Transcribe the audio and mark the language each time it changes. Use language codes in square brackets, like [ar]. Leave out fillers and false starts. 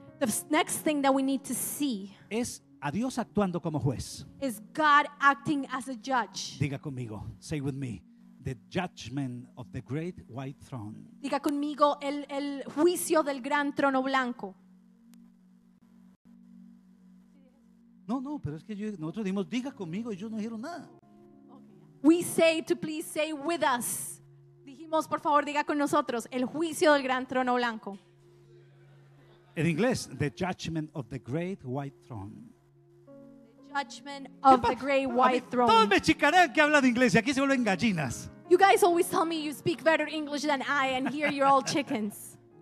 [en] The next thing that we need to see. [es] Es a Dios actuando como juez. [en] Is God acting as a judge? [es] Diga conmigo, [en] say with me, the judgment of the great white throne. [es] Diga conmigo, el juicio del gran trono blanco. No, pero es que yo, nosotros dijimos, diga conmigo, y yo no dijeron nada. [en] We say to please say with us. [es] Dijimos, por favor, diga con nosotros, el juicio del gran trono blanco. En inglés, [en] the judgment of the great white throne. Judgment of the great white throne. [es] Todos me chicanean que hablan inglés y aquí se vuelven gallinas. [en] You guys always tell me you speak better English than I and here you're all chickens.